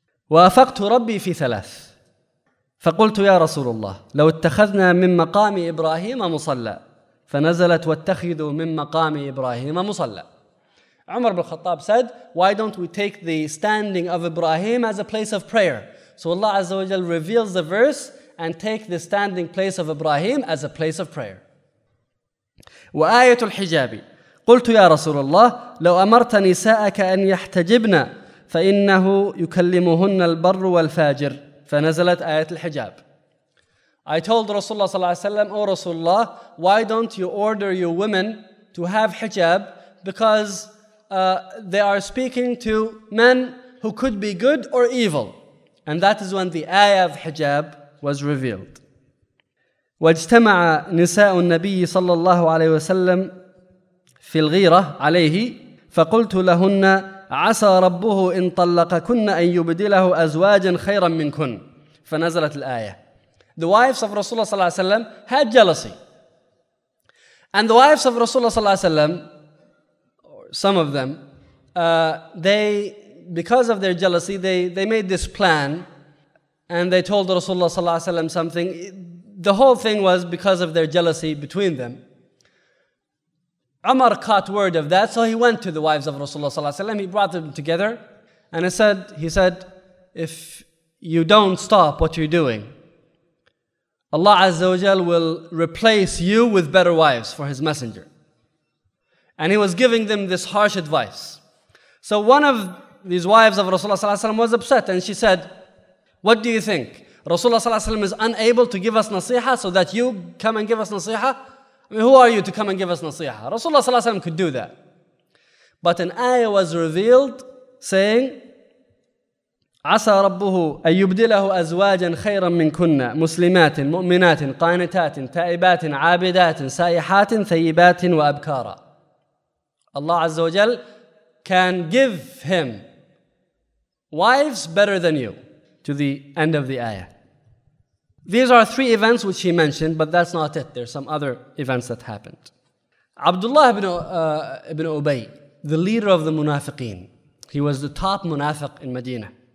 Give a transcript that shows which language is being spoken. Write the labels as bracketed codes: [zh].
[ar] وَأَفَقْتُ رَبِّي فِي ثَلَاثِ فَقُلْتُ يَا رَسُولُ اللَّهِ لَوْ اتَّخَذْنَا مِنْ مَقَامِ إِبْرَاهِيمَ مُصَلَّى فَنَزَلَتْ وَاتَّخِذُوا مِنْ مَقَامِ إِبْرَاهِيمَ مُصَلَّى. [en] Umar ibn Khattab said, why don't we take the standing of Ibrahim as a place of prayer? So Allah Azza wa Jal reveals the verse and take the standing place of Ibrahim as a place of prayer. [ar] وآية الحجاب قلت يا رسول الله لو أمرت نساءك أن يحتجبن فإنه يكلمهن البر والفاجر فنزلت آية الحجاب. [en] I told Rasulullah صلى الله عليه وسلم, oh Rasulullah, why don't you order your women to have hijab, because they are speaking to men who could be good or evil. And that is when the ayah of hijab was revealed. [ar] واجتمع نساء النبي صلى الله عليه وسلم في الغيرة عليه فقلت لهن عسى ربه إن طلقكن أن يبدله أزواجا خيرا منكن فنزلت الآية. [en] The wives of Rasulullah صلى الله عليه وسلم had jealousy. And the wives of Rasulullah صلى الله عليه وسلم, some of them, they, because of their jealousy, they made this plan and they told Rasulullah صلى الله عليه وسلم something. The whole thing was because of their jealousy between them. Umar caught word of that, so he went to the wives of Rasulullah صلى الله عليه وسلم. He brought them together and he said, if you don't stop what you're doing, Allah Azza wa Jal will replace you with better wives for his messenger. And he was giving them this harsh advice. So one of these wives of Rasulullah صلى الله عليه وسلم was upset and she said, what do you think? Rasulullah صلى الله عليه وسلم is unable to give us nasiha so that you come and give us nasiha? I mean, who are you to come and give us nasiha? Rasulullah صلى الله عليه وسلم could do that. But an ayah was revealed saying, [ar] عَسَى رَبُّهُ أَن يُبْدِلَهُ أَزْوَاجًا خَيْرًا مِّنْكُنَّ مُسْلِمَاتٍ مُؤْمِنَاتٍ قَانِتَاتٍ تَائِبَاتٍ عَابِدَاتٍ سَائِحَاتٍ ثَيِّبَاتٍ وَأَبْكَارًا. [en] Allah عز وجل can give him wives better than you. To the end of the ayah. These are three events which he mentioned, but that's not it. There's some other events that happened. Abdullah ibn Ubay, the leader of the munafiqeen, he was the top munafiq in Medina.